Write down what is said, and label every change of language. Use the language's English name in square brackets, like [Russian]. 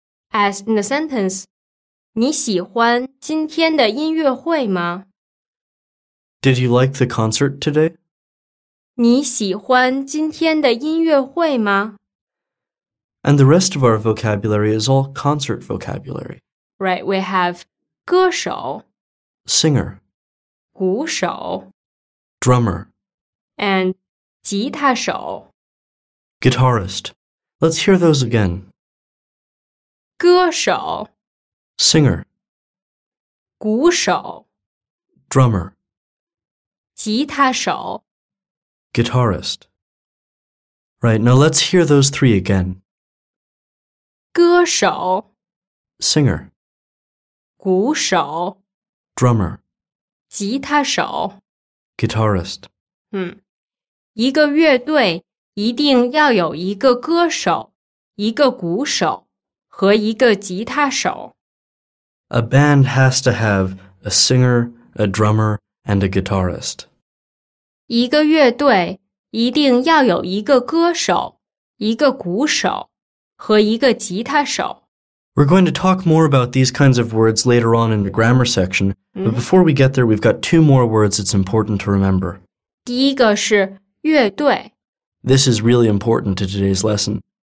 [English] As in the sentence, [Chinese] 你喜欢今天的音乐会吗? [English] Did you like the concert today? [Chinese] 你喜欢今天的音乐会吗? [English] And the rest of our vocabulary is all concert vocabulary. Right, we have 歌手 Singer [Chinese] 鼓手 [English] Drummer And 吉他手 Guitarist Let's hear those again. [Chinese] 歌手 [English] Singer [Chinese] 鼓手 [English] Drummer [Chinese] 吉他手 [English] Guitarist. Right, now let's hear those three again. [Chinese] 歌手 [English] Singer [Chinese] 鼓手 [English] Drummer [Chinese] 吉他手 [English] Guitarist. [Chinese] 一个乐队一定要有一个歌手一个鼓手和一个吉他手 [English] A band has to have a singer, a drummer, and a guitarist. [Chinese] 一个乐队一定要有一个歌手、一个鼓手和一个吉他手。 [English] We're going to talk more about these kinds of words later on in the grammar section,、mm-hmm. but before we get there, we've got two more words it's important to remember. [Chinese] 第一个是乐队。 [English] This is really important to today's lesson.